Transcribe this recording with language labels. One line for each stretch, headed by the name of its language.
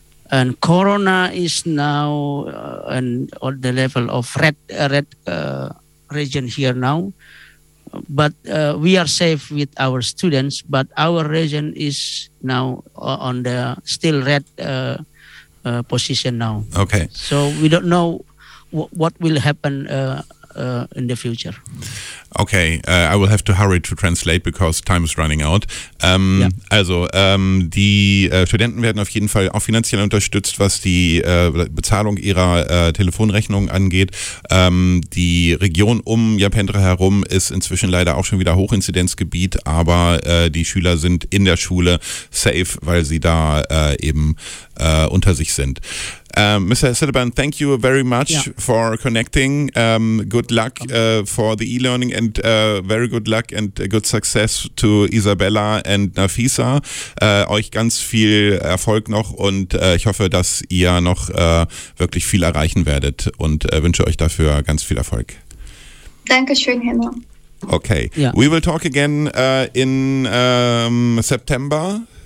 English: And Corona is now on the level of red region here now, but we are safe with our students, but our region is now on the still red position now. Okay. So we don't know what will happen in the future. Okay, I will have to hurry to translate because time is running out.
German: Also, die Studenten werden auf jeden Fall auch finanziell unterstützt, was die Bezahlung ihrer Telefonrechnung angeht. Die Region um Japendra herum ist inzwischen leider auch schon wieder Hochinzidenzgebiet, aber die Schüler sind in der Schule safe, weil sie da eben unter sich sind.
English: Mr. Siddiban, thank you very much for connecting. Good luck for the e-learning, and very good luck and good success to Isabella and Nafisa.
German: Euch ganz viel Erfolg noch, und ich hoffe, dass ihr noch wirklich viel erreichen werdet, und wünsche euch dafür ganz viel Erfolg. Dankeschön, Henna.
English: Okay, we will talk again in September.